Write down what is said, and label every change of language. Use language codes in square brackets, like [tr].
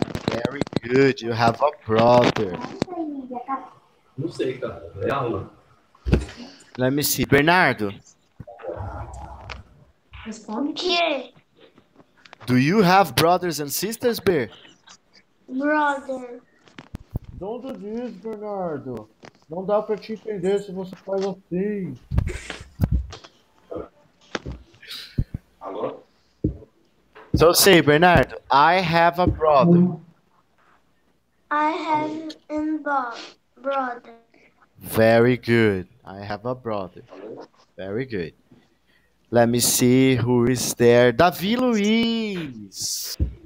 [en] Very good. You have a brother. [pt] Não sei, cara. É aula. [en] Let me see. Bernardo. [pt] Responde. [en] Do you have brothers and sisters, Bear? Brother. Don't do this, Bernardo. [pt] Não dá pra te entender se você faz assim. Alô? [en] So say, Bernardo, I have a brother. I have a brother. Very good. I have a brother. Very good. Let me see who is there. Davi Luiz.